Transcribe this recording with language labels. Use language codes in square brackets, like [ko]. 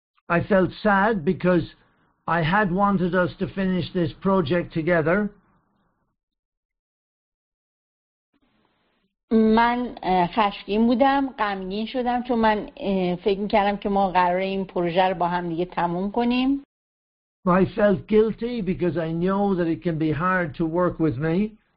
[en] I felt sad because I had wanted us to finish this project together. [fa] من خشمگین بودم، غمگین شدم چون من فکر می‌کردم که ما قراره این پروژه رو با هم دیگه تموم کنیم. [en] I felt guilty because I know that it can be hard to work with me.